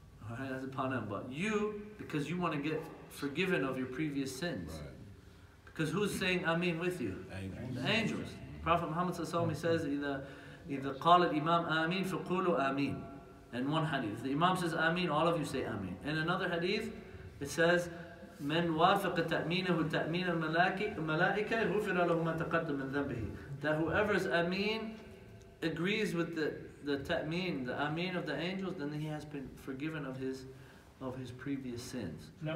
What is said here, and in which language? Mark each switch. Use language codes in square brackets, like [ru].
[en] All right, that's upon them. But you, because you want to get forgiven of your previous sins. Right. Because who's saying ameen with you? Angels. The angels. Yeah. Prophet Muhammad sallallahu alaihi wasallam, he says, either call it imam ameen, [ar] faqulu ameen. [en] In one hadith. The imam says ameen, all of you say ameen. In another hadith, it says, [ar] من وافق تأمينه تأمين الملائكة غفر له ما تقدم من ذنبه. [en] That whoever's ameen agrees with the ta'meen, the ameen of the angels, then he has been forgiven of his previous sins.